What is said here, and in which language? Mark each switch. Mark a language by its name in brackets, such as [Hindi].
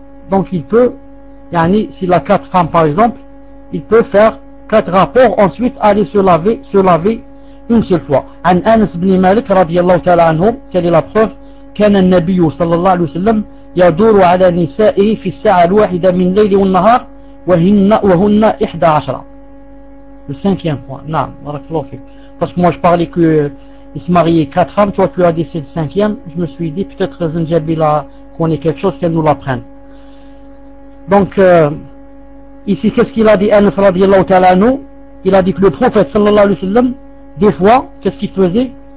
[French] Donc il peut, yani, s'il a 4 femmes, par exemple, il peut faire 4 rapports, ensuite aller se laver une seule fois. An Anas ibn Malik, radiyallahu ta'ala anhu, quelle est la preuve? [Arabic] Kana an-nabiy sallallahu alayhi wa sallam يدور على نسائه في الساعة الواحدة من ليل والنهار وهن 11. [French] Le cinquième point. Non, barakallahu fik. Parce que moi je parlais qu'il se mariait 4 femmes, toi tu as dit c'est le cinquième. Je me suis dit peut-être Zinjabi là qu'on ait quelque chose qu'elle nous l'apprenne. Donc, ici qu'est-ce qu'il a dit Anas radiallahu ta'ala anhu? il a dit que le prophète sallallahu alayhi wa sallam, des fois, qu'est-ce qu'il faisait?